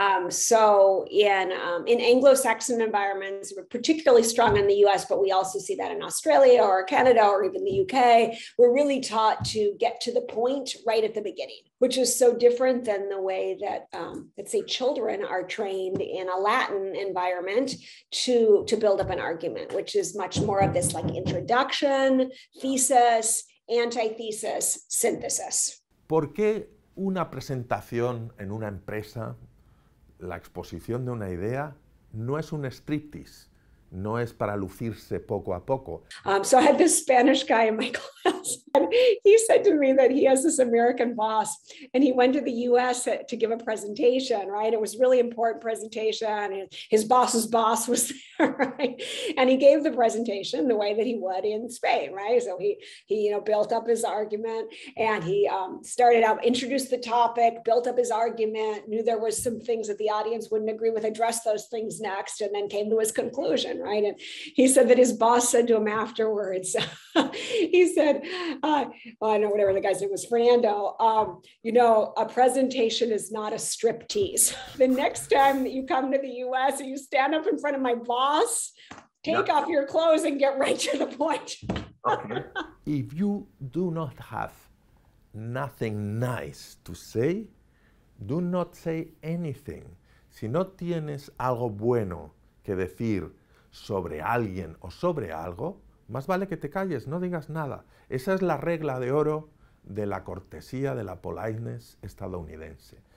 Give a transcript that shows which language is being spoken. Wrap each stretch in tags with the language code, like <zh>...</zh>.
<en>So in Anglo-Saxon environments, we're particularly strong in the US, but we also see that in Australia or Canada or even the UK, we're really taught to get to the point right at the beginning, which is so different than the way that, let's say, children are trained in a Latin environment to build up an argument, which is much more of this like introduction, thesis, antithesis, synthesis.</en> <es>¿Por qué una presentación en una empresa, la exposición de una idea, no es un striptease? No es para lucirse poco a poco.</es> <en>So I had this Spanish guy in my class, and he said to me that he has this American boss, and he went to the U.S. to give a presentation, right? It was a really important presentation, and his boss's boss was there, right? And he gave the presentation the way that he would in Spain, right? So he you know, built up his argument, and he started out, introduced the topic, built up his argument, knew there was some things that the audience wouldn't agree with, addressed those things next, and then came to his conclusion. Right. And he said that his boss said to him afterwards, he said, well, I don't know, whatever the guy's name was, Fernando, you know, a presentation is not a striptease. The next time that you come to the US and you stand up in front of my boss, take off your clothes and get right to the point. Okay. If you do not have nothing nice to say, do not say anything.</en> <es>Si no tienes algo bueno que decir sobre alguien o sobre algo, más vale que te calles, no digas nada. Esa es la regla de oro de la cortesía, de la politeness estadounidense.</es>